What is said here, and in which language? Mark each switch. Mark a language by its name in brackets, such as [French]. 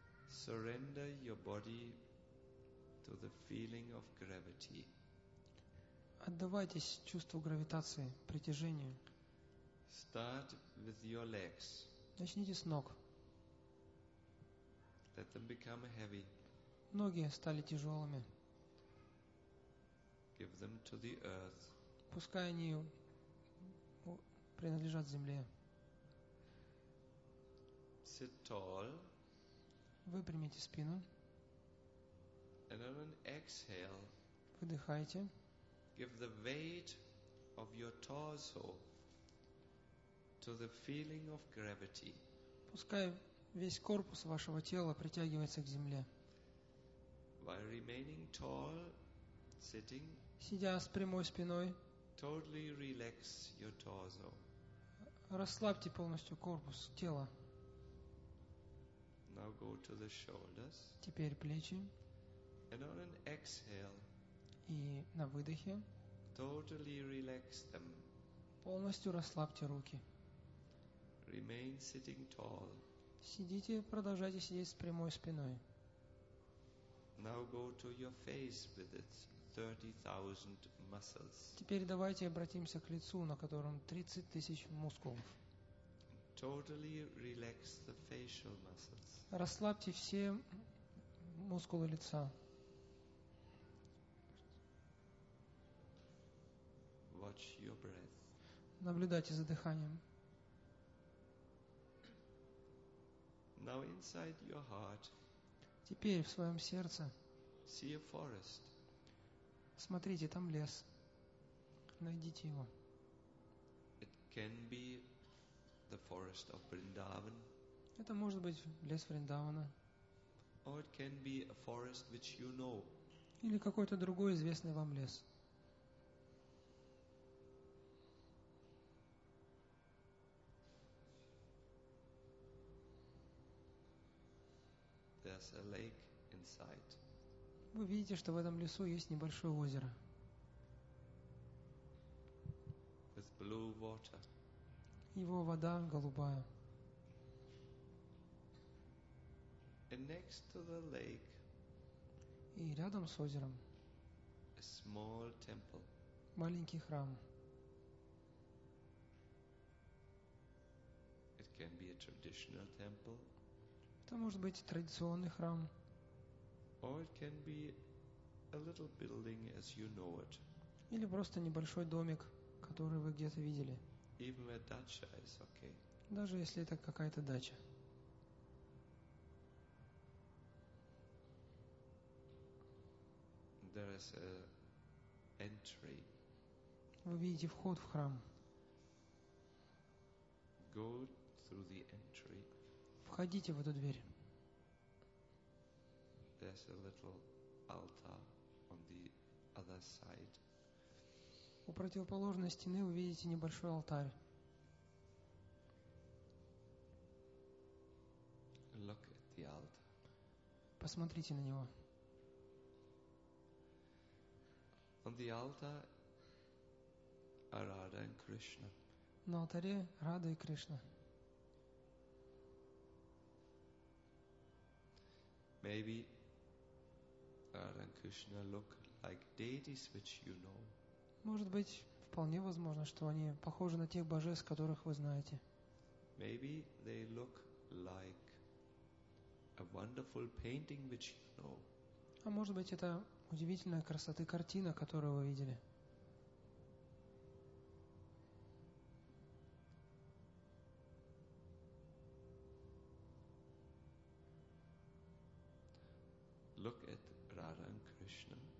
[English] surrender your body to the feeling of gravity. [Russian] Отдавайтесь чувству гравитации, притяжению. [English] Start with your legs. [Russian] Начните с ног. [English] Let them become heavy. [Russian] Ноги стали тяжелыми. [English] Give them to the earth. [Russian] Пускай они принадлежат земле. [English] Sit tall. [Russian] Выпрямите спину. [English] And on an exhale, [Russian] выдыхайте. [English] Give the weight of your torso to the feeling of gravity. [Russian] Пускай весь корпус вашего тела притягивается к земле. [English] While remaining tall, sitting, [Russian] сидя с прямой спиной, [English] totally relax your torso. [Russian] Расслабьте полностью корпус, тело. [English] Now go to the shoulders. [Russian] Теперь плечи. [English] And on an exhale, [Russian] и на выдохе, [English] totally relax them. [Russian] Полностью расслабьте руки. [English] Remain sitting tall. [Russian] Сидите, продолжайте сидеть с прямой спиной. [English] Now go to your face with its 30,000 muscles. [Russian] Теперь давайте обратимся к лицу, на котором 30 тысяч мускулов. [English] Totally relax the facial muscles. [Russian] Расслабьте все мускулы лица. [English] Watch your breath. [Russian] Наблюдайте за дыханием. [English] Now inside your heart. [Russian] Теперь в своем сердце. [English] See a forest. [Russian] Смотрите, там лес. Найдите его. [English] It can be the forest of Vrindavan. [Russian] Это может быть лес Вриндавана. [English] Or it can be a forest which you know. [Russian] Или какой-то другой известный вам лес. [English] There's a lake inside. [Russian] Вы видите, что в этом лесу есть небольшое озеро. [English] With blue water. [Russian] Его вода голубая. [English] And next to the lake. [Russian] И рядом с озером. [English] A small temple. [Russian] Маленький храм. [English] It can be a traditional temple. [Russian] Это может быть традиционный храм. [English] Or it can be a little building as you know it. [Russian] Или просто небольшой домик, который вы где-то видели. [English] Even a dacha is okay. [Russian] Даже если это какая-то дача. [English] There is a entry. [Russian] Вы видите вход в храм. [English] Go through the entry. [Russian] Входите в эту дверь. [English] There's a little altar on the other side. [Russian] У противоположной стены вы видите небольшой алтарь. [English] Look at the altar. [Russian] Посмотрите на него. [English] On the altar are Radha and Krishna. [Russian] На алтаре Рада и Кришна. [English] Maybe Radha and Krishna look like deities which you know. [Russian] Может быть, вполне возможно, что они похожи на тех божеств, которых вы знаете. [English] Maybe they look like a wonderful painting which you know. [Russian] А может быть, это удивительная красоты картина, которую вы видели. [English] Look at Radha and Krishna.